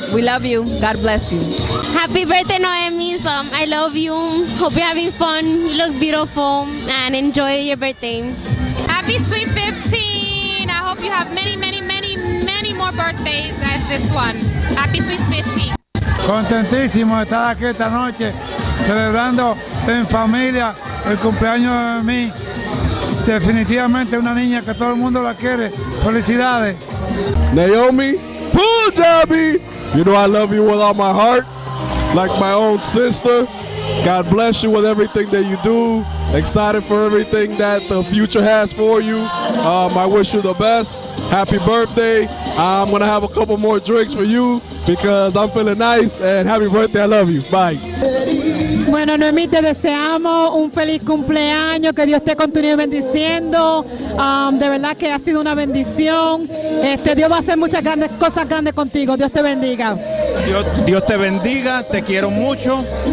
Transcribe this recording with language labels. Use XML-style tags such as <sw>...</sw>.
<en>We love you. God bless you. Happy birthday, Naomi. I love you. Hope you're having fun. You look beautiful and enjoy your birthday. Happy sweet 15. I hope you have many, many, many, many more birthdays as this one. Happy sweet 15.</en> <es>Contentísimo de estar aquí esta noche celebrando en familia el cumpleaños de mí. Definitivamente una niña que todo el mundo la quiere. Felicidades.</es> <en>Naomi Punjabi, you know I love you with all my heart, like my own sister. God bless you with everything that you do. Excited for everything that the future has for you. I wish you the best. Happy birthday. I'm gonna have a couple more drinks for you because I'm feeling nice, and happy birthday. I love you. Bye.</en> <es>Bueno, Noemí, te deseamos un feliz cumpleaños, que Dios te continúe bendiciendo. De verdad que ha sido una bendición. Dios va a hacer muchas grandes cosas grandes contigo. Dios te bendiga. Dios te bendiga, te quiero mucho.</es>